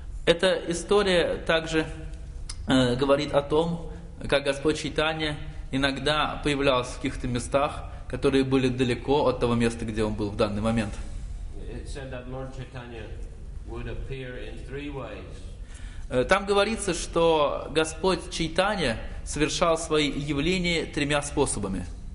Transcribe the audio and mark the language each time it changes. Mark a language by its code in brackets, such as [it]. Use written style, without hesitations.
[ru] Эта история также говорит о том, как Господь Чайтанья иногда появлялся в каких-то местах, которые были далеко от того места, где он был в данный момент. [en] It said that Lord Chaitanya would appear in three ways. [ru] Там говорится, что Господь Чайтанья совершал свои явления тремя способами.